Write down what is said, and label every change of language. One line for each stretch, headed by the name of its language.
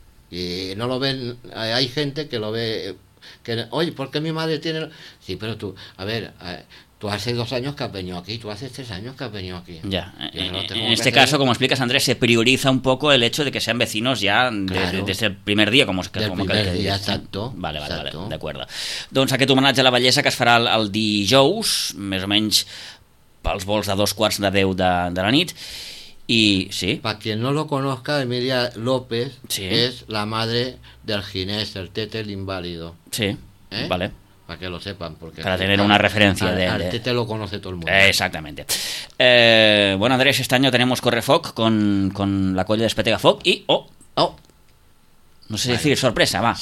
Spanish: Y no lo ven, hay gente que lo ve, que, oye, ¿por qué mi madre tiene? Sí, pero tú, a ver, tú hace 2 años que has venido aquí, tú hace 3 años que has venido aquí. Ya, en este caso, como explicas, Andrés, se prioriza un poco el hecho de que sean vecinos ya desde el primer día, como que ya exacto. Vale, de acuerdo.
Catalan: Doncs aquest homenatge a la bellesa que es farà el dijous, més o menys pels vols de 9:45 de la nit.
Spanish: Y sí, para quien no lo conozca, Emilia López, sí, es la madre del Ginés, el Tete el inválido. Sí, ¿eh? Vale. Para que lo sepan, porque para tener una referencia al, al Tete lo conoce todo el mundo. Exactamente. Bueno, Andrés, este año tenemos Correfoc con la colla de Espetega Foc y no sé decir sorpresa, va.